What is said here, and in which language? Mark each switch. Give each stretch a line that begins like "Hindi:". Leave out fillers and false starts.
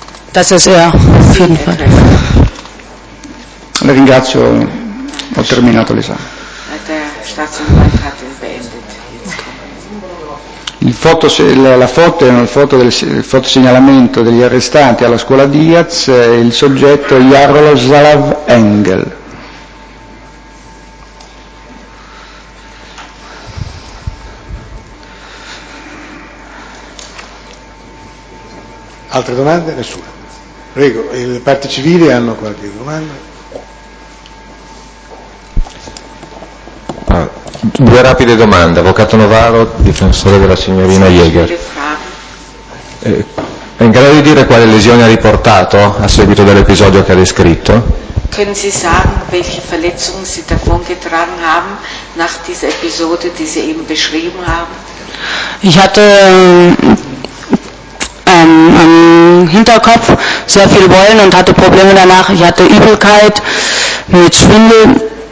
German: Das ist er, auf jeden Fall.
Italian: Le ringrazio, ho terminato l'esame. La foto segnalamento degli arrestanti alla scuola Diaz, il soggetto Jaroslav Engel. Altre domande? Nessuna. Prego, le parti civili hanno qualche domanda? Due rapide domande. Avvocato Novaro, difensore della signorina Jäger. È in grado di dire quale lesione ha riportato a seguito dell'episodio che ha descritto?
German: Können Sie sagen, welche Verletzungen Sie davon getragen haben nach diesem Episode, die Sie eben beschrieben haben? Ich hatte am Hinterkopf sehr viel Beulen und hatte Probleme danach. Ich hatte Übelkeit mit Schwindel.